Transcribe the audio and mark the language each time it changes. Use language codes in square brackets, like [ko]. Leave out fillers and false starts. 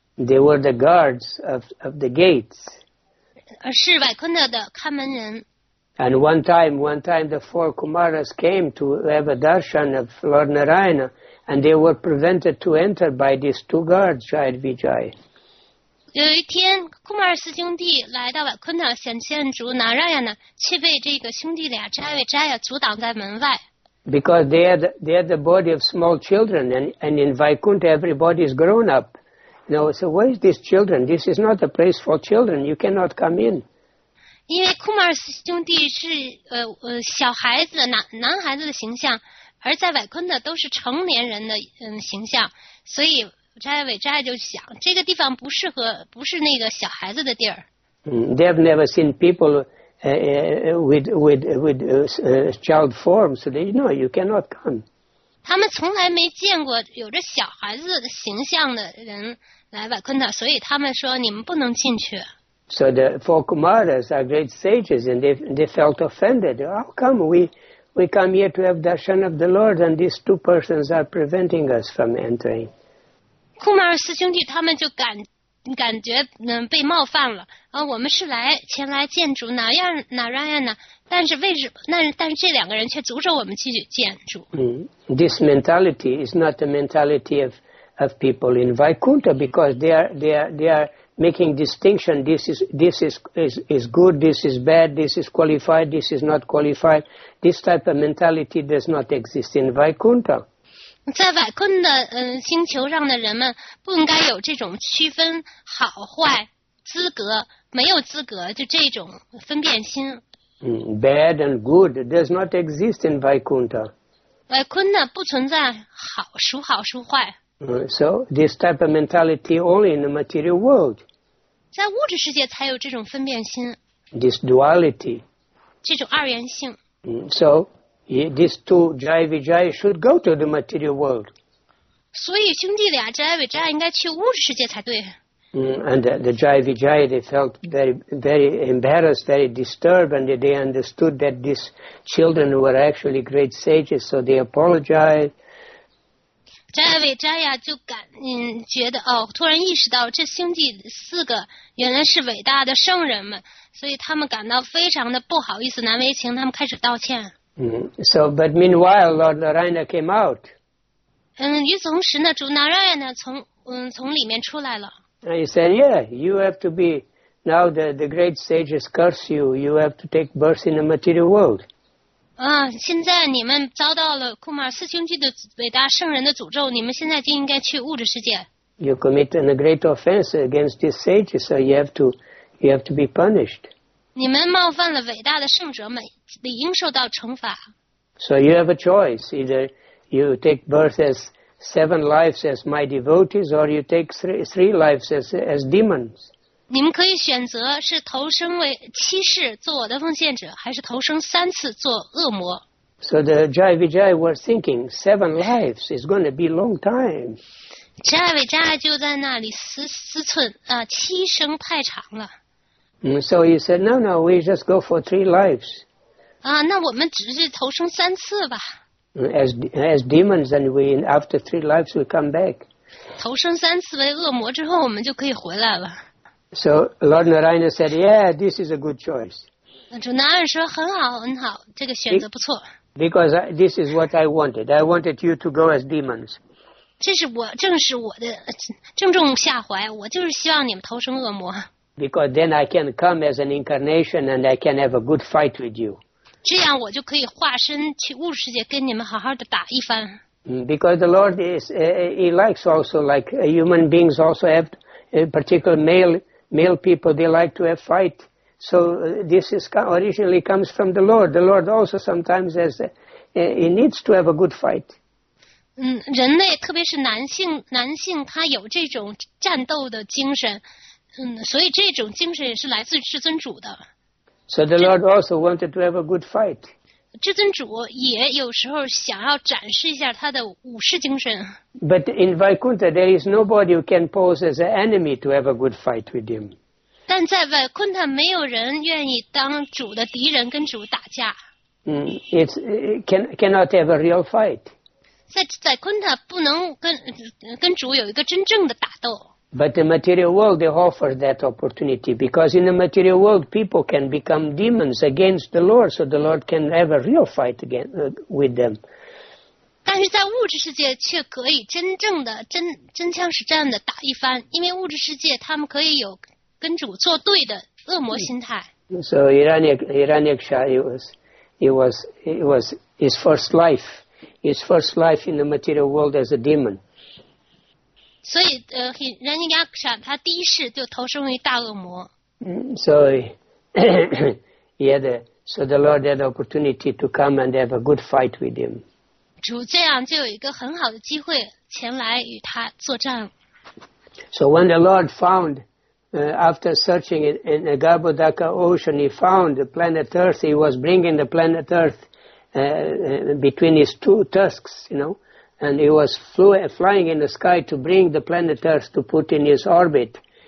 [en] They were the guards of the gates. [zh] 是瓦昆德的看门人。 [en] And one time the four Kumaras came to have a darshan of Lord Narayana, and they were prevented to enter by these two guards, Jaya and Vijaya. [zh] 有一天，库马尔斯兄弟来到瓦昆德显现主拿拉亚呢，却被这个兄弟俩斋维斋亚阻挡在门外。 [en] Because they had the body of small children, and in Vaikuntha everybody is grown up. No, so where is these children? This is not a place for children. You cannot come in. [zh] 因为库马尔斯兄弟是小孩子男孩子的形象，而在瓦昆德都是成年人的形象，所以斋维斋就想这个地方不是那个小孩子的地儿。 [en] They have never seen people with child forms. So they know you cannot come. [zh] 他们从来没见过有着小孩子的形象的人来瓦昆德，所以他们说你们不能进去。 [en] So the four Kumaras are great sages, and they felt offended. How come we come here to have darshan of the Lord, and these two persons are preventing us from entering? [zh] 库马尔斯兄弟他们就感觉被冒犯了。我们是前来见主哪样哪样样呢？但是为什么？但是这两个人却阻止我们去见主。 [en] This mentality is not the mentality of people in Vaikuntha because they are making distinction. This is good. This is bad. This is qualified. This is not qualified. This type of mentality does not exist in Vaikuntha. [zh] 在瓦昆的星球上的人们不应该有这种区分好坏资格没有资格就这种分辨心。 [en] Bad and good does not exist in Vaikuntha. [zh] 瓦昆的不存在好孰好孰坏。 [en] So this type of mentality only in the material world. [zh] 在物质世界才有这种分辨心。 [en] This duality. [zh] 这种二元性。 [en] So,these two Jaya Vijaya should go to the material world. [zh] 所以兄弟俩 Jaya Vijaya 应该去物质世界才对。 [en] And the Jaya Vijaya they felt very, very embarrassed, very disturbed, and they understood that these children were actually great sages, so they apologized. [zh] Jaya Vijaya 就觉得突然意识到这兄弟四个原来是伟大的圣人们，所以他们感到非常的不好意思，难为情，他们开始道歉。 [en] So, but meanwhile, Lord Narayana came out. [zh] 与此同时呢，主拿拉亚呢从里面出来了。 [en] And he said, "Yeah, you have to be now the great sages curse you. You have to take birth in the material world." [zh] 现在你们遭到了库马尔斯兄弟的伟大圣人的诅咒，你们现在就应该去物质世界。 [en] You commit a great offense against these sages, so you have to be punished. [zh] 你们冒犯了伟大的圣者们，理应受到惩罚。 [en] So you have a choice: either you take birth as seven lives as my devotees, or you take three lives as demons. [zh] 你们可以选择是投生为七世做我的奉献者，还是投生三次做恶魔。 [en] So the Jaya Vijaya was thinking, seven lives is going to be a long time. [zh] Jaya Vijaya 就在那里思忖啊，七生太长了。 [en] So he said, no, we just go for three lives. [zh] 啊，那我们只是投生三次吧。 [en] As demons, and we after three lives we come back. [zh] 投生三次为恶魔之后，我们就可以回来了。 [en] So Lord Narayana said, yeah, this is a good choice. [zh] 主南岸说很好很好，这个选择不错。 [en] Because this is what I wanted. I wanted you to go as demons. [zh] 这是我正是我的正中下怀，我就是希望你们投生恶魔。 [en] Because then I can come as an incarnation and I can have a good fight with you. [zh] 这样我就可以化身去物世界跟你们好好的打一番。 [en] Because the Lord is, he likes also like human beings also have, particularly male people, they like to have fight. So this is originally comes from the Lord. The Lord also sometimes has, he needs to have a good fight. [zh] 人类特别是男性他有这种战斗的精神，所以这种精神也是来自至尊主的。 [en] So the Lord also wanted to have a good fight. [zh] 至尊主也有时候想要展示一下他的武士精神。 [en] But in Vaikuntha, there is nobody who can pose as an enemy to have a good fight with him. [zh] 但在外昆坦没有人愿意当主的敌人跟主打架。 [en] It cannot have a real fight. [zh] 在昆坦不能跟主有一个真正的打斗。 [en] But the material world, they offer that opportunity because in the material world, people can become demons against the Lord, so the Lord can have a real fight again, with them. [zh] 但是在物质世界却可以真正的真枪实战的打一番，因为物质世界他们可以有跟主作对的恶魔心态。 [en] So Hiranyaksha, it was his first life in the material world as a demon. [zh] 所以Hiranyaksha他第一世就投生于大恶魔。 [en] So the Lord had the opportunity to come and have a good fight with him. [zh] 主这样就有一个很好的机会前来与他作战。 [en] So when the Lord found. After searching in the Garbhodaka ocean, he found the planet Earth. He was bringing the planet Earth between his two tusks, you know. And he was flying in the sky to bring the planet Earth to put in his orbit.